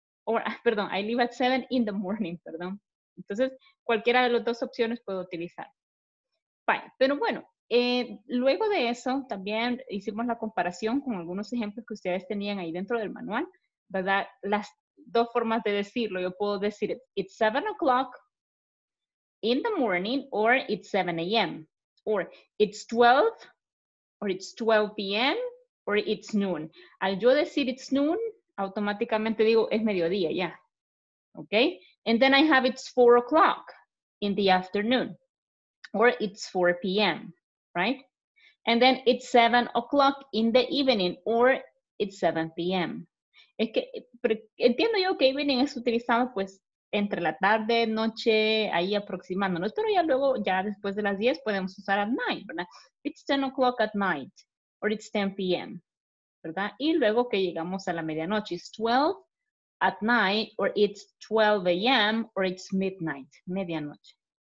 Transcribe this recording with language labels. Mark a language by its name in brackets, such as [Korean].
[English] Or, perdón, I leave at 7 in the morning, perdón. [Spanish] Entonces, cualquiera de las dos opciones puedo utilizar. Fine. Pero bueno, luego de eso, también hicimos la comparación con algunos ejemplos que ustedes tenían ahí dentro del manual, ¿verdad? Las dos formas de decirlo. Yo puedo decir, [English] it's 7 o'clock. In the morning, or it's 7 a.m. or it's 12, or it's 12 p.m., or it's noon. [Spanish] Al yo decir [English] it's noon, [Spanish] automáticamente digo es mediodía, yeah. Okay? [English] And then I have it's 4 o'clock in the afternoon, or it's 4 p.m., right? And then it's 7 o'clock in the evening, or it's 7 p.m. [Spanish] Es que pero entiendo yo que evening es utilizado pues entre la tarde, noche, ahí aproximándonos, pero ya luego, ya después de las 10, podemos usar at night, ¿verdad? [English] It's 10 o'clock at night, or it's 10 p.m., ¿verdad? [Spanish] Y luego que llegamos a la medianoche, [English] it's 12 at night, or it's 12 a.m., or it's midnight, medianoche.